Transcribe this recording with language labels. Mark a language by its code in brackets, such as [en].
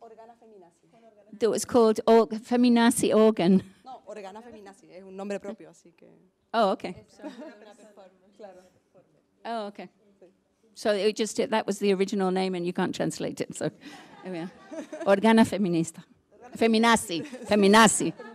[es] Organa Feminazi. [en] That was called Feminazi Organ. [es] No, Organa Feminazi es un nombre propio, así que. [en] Oh, okay. [es] Claro. [en] Oh, okay. So it just that was the original name, and you can't translate it. So, here we are. Organa Feminista, Feminazi, Feminazi.